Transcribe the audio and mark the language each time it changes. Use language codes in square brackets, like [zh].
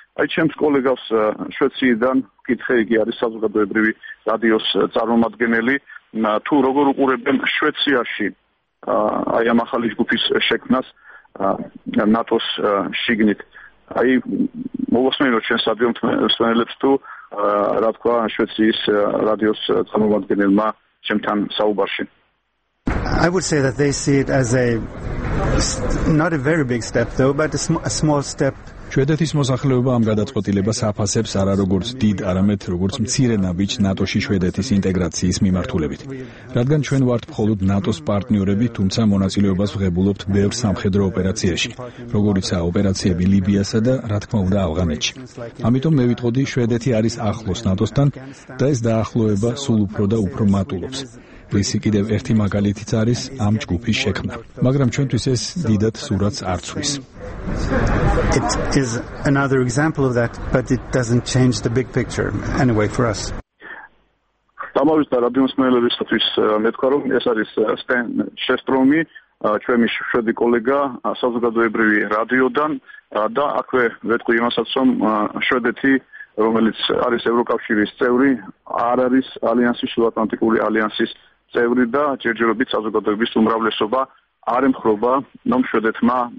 [ka] აი ჩემს კოლეგას შვეციდან ვკითხე, იგი არის საზოგადოებრივი რადიოს წარმომადგენელი, თუ როგორ უყურებენ შვეციაში აი ამ ახალი ჯგუფის შექმნას ნატოს შიგნით. აი მოგესმენთ ჩვენ სტუდენტებს თუ რა თქვა შვეციის რადიოს წარმომადგენელმა ჩემთან საუბარში? [en] I would say that they see it as a not a very big step though, but a small step. [ka] შვედეთის მოსახლეობა ამ გადაწყვეტილებას აფასებს არა როგორც დიდ, არამედ როგორც მცირე ნაბიჯს ნატოში შვედეთის ინტეგრაციის მიმართულებით. რადგან ჩვენ ვართ მხოლოდ ნატოს პარტნიორები, თუმცა მონაწილეობას ვღებულობთ ბევრ სამხედრო ოპერაციაში, როგორიცაა ოპერაციები ლიბიასა და რა თქმა უნდა ავღანეთში. ამიტომ მე ვიტყოდი, შვედეთი არის ახლოს ნატოსთან და ეს დაახლოება სულ უფრო და უფრო მატულობს. ეს კიდევ ერთი მაგალითიც არის ამ ჯგუფის შექმნა, მაგრამ ჩვენთვის ეს დიდად სურათს არ ცვლის. [en] It is another example of that, but it doesn't change the big picture anyway for us. [ka] თამავის და რადიოს მეელებისთვის მეთქვა, რომ ეს არის სტენ შესტრომი, ჩვენი შვედი კოლეგა საზოგადოებრივი რადიოდან, და აქვე მეთქვი იმასაც, რომ შვედეთი, რომელიც არის ევროკავშირის წევრი, არ არის ალიანსის, შუატლანტიკური ალიანსის წევრი და ჯერჯერობით საზოგადოების უმრავლესობა არ ემხრობა ნომ შვედეთმა